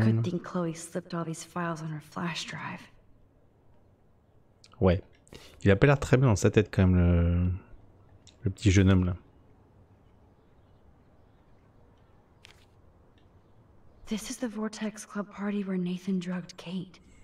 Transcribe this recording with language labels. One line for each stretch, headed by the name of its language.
English: It's a good thing Chloe slipped all these files on her flash drive.
French: Ouais. Il a pas l'air très bien dans sa tête quand même le petit jeune homme là.
English: This is the Vortex Club party where Nathan drugged Kate.